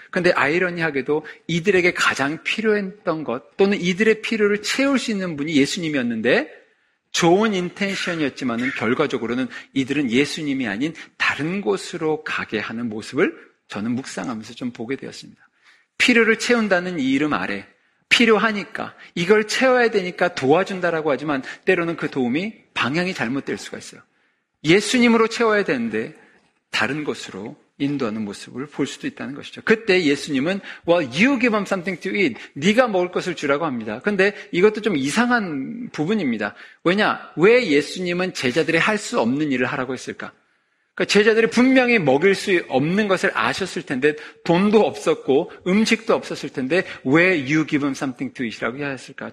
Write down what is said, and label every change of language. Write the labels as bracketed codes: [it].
[ko] 그런데 아이러니하게도 이들에게 가장 필요했던 것 또는 이들의 필요를 채울 수 있는 분이 예수님이었는데 좋은 인텐션이었지만은 결과적으로는 이들은 예수님이 아닌 다른 곳으로 가게 하는 모습을 저는 묵상하면서 좀 보게 되었습니다. 필요를 채운다는 이 이름 아래 필요하니까 이걸 채워야 되니까 도와준다라고 하지만 때로는 그 도움이 방향이 잘못될 수가 있어요. 예수님으로 채워야 되는데 다른 곳으로 인도하는 모습을 볼 수도 있다는 것이죠. 그때 예수님은 [en] Well, you give them something to eat. [ko] 네가 먹을 것을 주라고 합니다. 그런데 이것도 좀 이상한 부분입니다. 왜냐? 왜 예수님은 제자들이 할 수 없는 일을 하라고 했을까? 그러니까 제자들이 분명히 먹일 수 없는 것을 아셨을 텐데 돈도 없었고 음식도 없었을 텐데 왜 [en] you give them something to eat [ko] 이라고 해야 했을까?